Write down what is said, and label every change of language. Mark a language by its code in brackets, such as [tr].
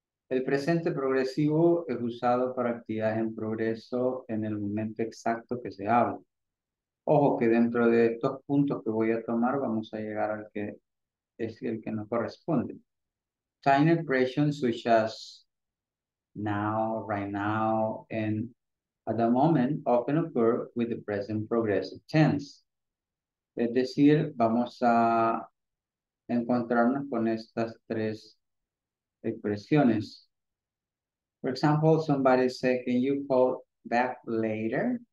[es] El presente progresivo es usado para actividades en progreso en el momento exacto que se habla. Ojo que dentro de estos puntos que voy a tomar, vamos a llegar al que es el que nos corresponde. [en] Time expressions such as now, right now, and at the moment often occur with the present progressive tense. [es] Es decir, vamos a encontrarnos con estas tres expresiones. [en] For example, somebody say, can you call back later?